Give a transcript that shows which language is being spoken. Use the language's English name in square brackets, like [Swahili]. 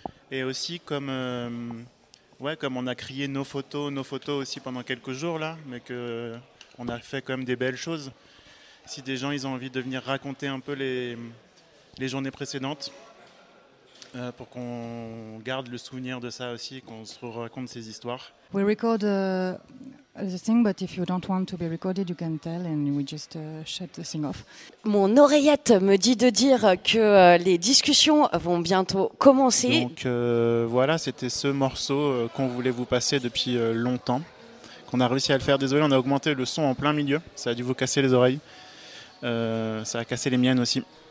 [French] Et aussi, comme on a crié nos photos aussi pendant quelques jours là, mais que on a fait quand même des belles choses. Si des gens, ils ont envie de venir raconter un peu les journées précédentes, pour qu'on garde le souvenir de ça aussi, qu'on se raconte ces histoires. [English] We record. The thing, but if you don't want to be recorded, you can tell, and we just shut the thing off. [French] Mon oreillette me dit de dire que les discussions vont bientôt commencer. Donc voilà, c'était ce morceau qu'on voulait vous passer depuis longtemps, qu'on a réussi à le faire. Désolé, on a augmenté le son en plein milieu. Ça a dû vous casser les oreilles. Ça a cassé les miennes aussi.